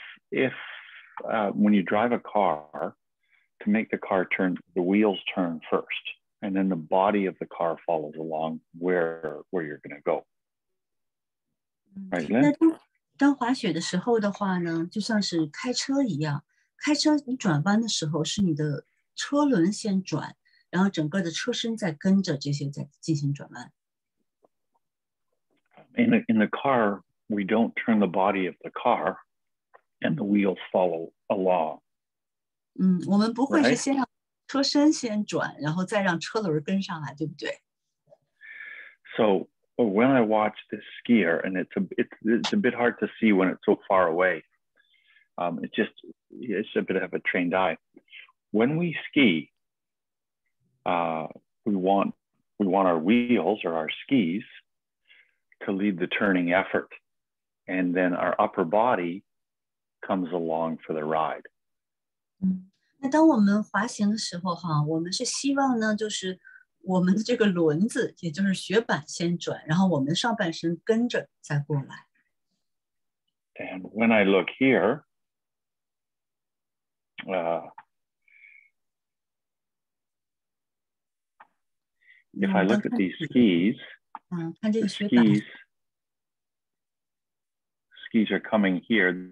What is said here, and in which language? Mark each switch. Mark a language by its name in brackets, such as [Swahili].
[English] If when you drive a car, to make the car turn, the wheels turn first, and then the body of the car follows along where you're going to go. Right, Lynn? [Chinese] 当滑雪的时候的话呢，就像是开车一样，开车你转弯的时候是你的车轮先转，然后整个的车身在跟着这些在进行转弯。 [English] In the car, we don't turn the body of the car, and the wheels follow along. [Chinese] 我们不会是先让车身先转，然后再让车轮跟上来，对不对 [English] ？So. But when I watch this skier, and it's a bit hard to see when it's so far away. It's a bit of a trained eye. When we ski, we want our wheels or our skis to lead the turning effort. And then our upper body comes along for the ride. [Chinese] 那当我们滑行的时候哈，我们是希望呢，就是我们的这个轮子，也就是雪板先转，然后我们上半身跟着再过来。 [English] And when I look here, if I look at these skis, [Chinese] 看这个雪板 [English] skis are coming here.